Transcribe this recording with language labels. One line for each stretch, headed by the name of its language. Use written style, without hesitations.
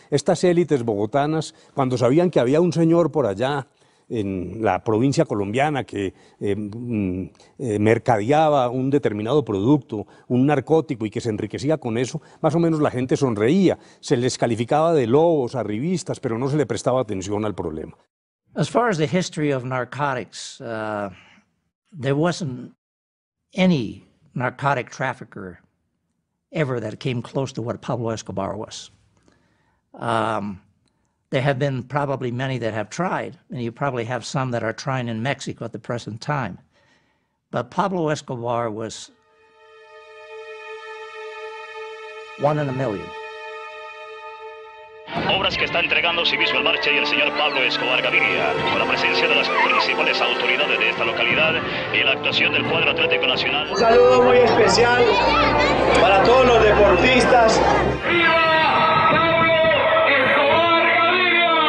Spanish: Estas élites bogotanas, cuando sabían que había un señor por allá en la provincia colombiana que mercadeaba un determinado producto, un narcótico, y que se enriquecía con eso, más o menos la gente sonreía, se les calificaba de lobos, arribistas, pero no se le prestaba atención al problema.
English: As far as the history of narcotics, there wasn't any narcotic trafficker ever that came close to what Pablo Escobar was. There have been probably many that have tried, and you probably have some that are trying in Mexico at the present time. But Pablo Escobar was one in a million.
Spanish: Obras que está entregando Civisu El Marche y el señor Pablo Escobar Gaviria, con la presencia de las principales autoridades de esta localidad y la actuación del cuadro atlético nacional. Un saludo muy especial para todos los deportistas. ¡Viva Pablo Escobar Gaviria!